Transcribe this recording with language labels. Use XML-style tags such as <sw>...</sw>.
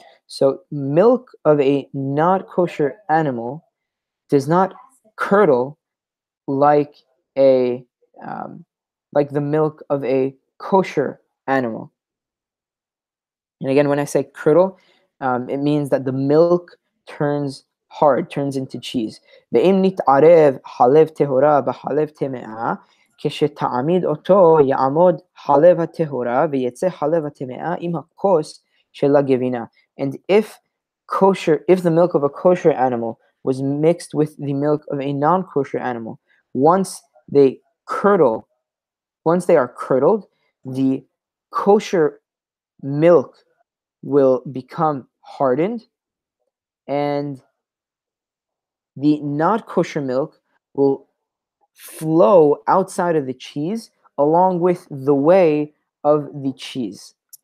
<en>So milk of a not kosher animal does not curdle like the milk of a kosher animal. And again, when I say curdle, it means that the milk turns hard, turns into cheese.</en> <he>Ve'im nit'arev halev tehora b'halev teme'a, כשתעמיד אותו יעמוד חלב הטהורה ויצא חלב הטמאה עם הכוס של הגבינה.</he> <en>And if the milk of a kosher animal was mixed with the milk of a non-kosher animal, once they are curdled, the kosher milk will become hardened and the not kosher milk will flow outside of the cheese along with the whey of the cheese.</en>